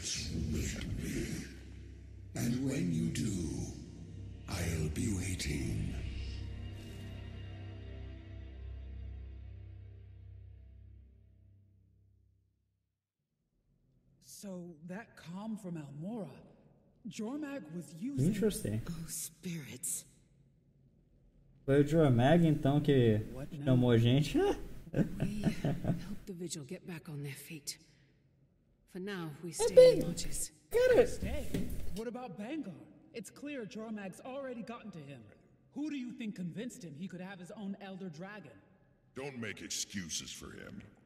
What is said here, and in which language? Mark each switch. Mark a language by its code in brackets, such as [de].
[en] as we can be. And when you do, I'll be waiting. So that comm from Almora, Jormag was using... Interesting. Oh, spirits. [pt] Foi o Jormag, então, que chamou a gente? [en] We helped the Vigil get back on their feet. For now, we stay in lodges. [pt] Cara, [en] stay. What about Bangor? It's clear Jormag's already gotten to him. Who do you think convinced him he could have his own Elder Dragon? Don't make excuses for him.